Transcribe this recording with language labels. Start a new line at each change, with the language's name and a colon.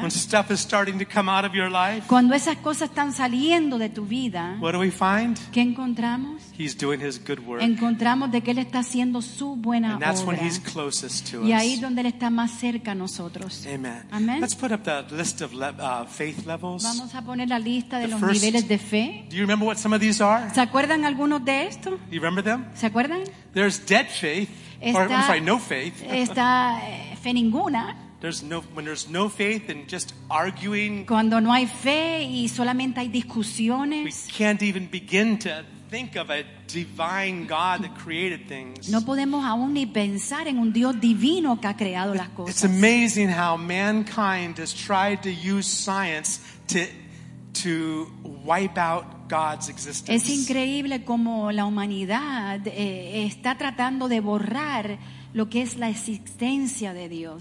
English: When stuff is starting to come out of your life.
Spanish: Cuando esas cosas están saliendo de tu vida.
English: What do we find?
Spanish: ¿Qué encontramos?
English: He's doing his good work.
Spanish: Encontramos de que él está haciendo su buena obra.
English: And that's
Spanish: obra.
English: When he's closest to
Spanish: y
English: us.
Spanish: Y ahí donde él está más cerca a nosotros.
English: Amen.
Spanish: Amen.
English: Let's put up the list of faith levels.
Spanish: Vamos a poner la lista de los niveles de fe.
English: Do you remember what some of these are?
Spanish: ¿Se acuerdan algunos de esto?
English: Do you remember them?
Spanish: ¿Se acuerdan?
English: There's dead faith. No faith.
Spanish: Está fe ninguna.
English: When there's no faith and just arguing.
Spanish: Cuando no hay fe y solamente hay discusiones.
English: We can't even begin to think of a divine God that created things.
Spanish: No podemos aún ni pensar en un Dios divino que ha creado las cosas.
English: It's amazing how mankind has tried to use science to wipe out God's existence.
Spanish: Es increíble cómo la humanidad está tratando de borrar lo que es la existencia de Dios.